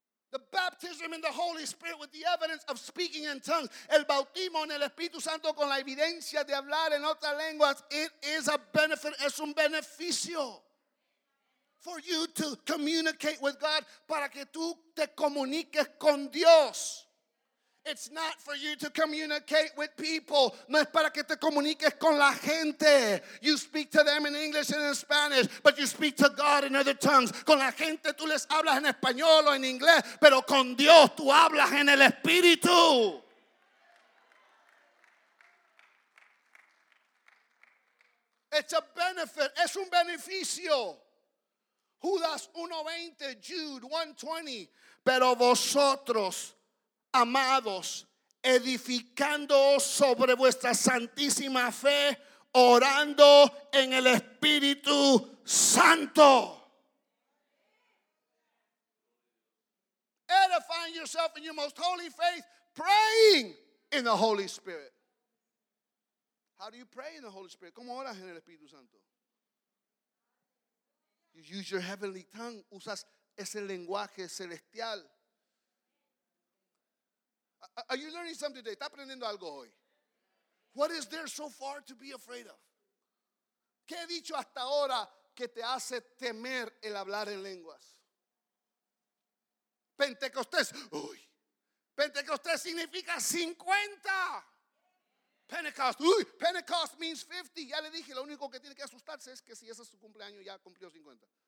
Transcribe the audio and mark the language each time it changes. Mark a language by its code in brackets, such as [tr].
[en] The baptism in the Holy Spirit with the evidence of speaking in tongues. [es] El bautismo en el Espíritu Santo con la evidencia de hablar en otras lenguas. [en] It is a benefit. [es] Es un beneficio [en] for you to communicate with God. [es] Para que tú te comuniques con Dios. [en] It's not for you to communicate with people. [es] No es para que te comuniques con la gente. [en] You speak to them in English and in Spanish, but you speak to God in other tongues. [es] Con la gente tú les hablas en español o en inglés, pero con Dios tú hablas en el Espíritu. [en] It's a benefit. [es] Es un beneficio. Judas 1:20, [en] Jude 1:20. [es] Pero vosotros amados, edificándoos sobre vuestra santísima fe, orando en el Espíritu Santo. [en] Edifying yourself in your most holy faith, praying in the Holy Spirit. How do you pray in the Holy Spirit? [es] ¿Cómo oras en el Espíritu Santo? [en] You use your heavenly tongue. [es] Usas ese lenguaje celestial. [en] Are you learning something today? [es] ¿Está aprendiendo algo hoy? [en] What is there so far to be afraid of? [es] ¿Qué he dicho hasta ahora que te hace temer el hablar en lenguas? Pentecostés. Uy. Pentecostés significa 50. [en] Pentecost. [es] Uy. [en] Pentecost means 50. [es] Ya le dije, lo único que tiene que asustarse es que si ese es su cumpleaños ya cumplió 50.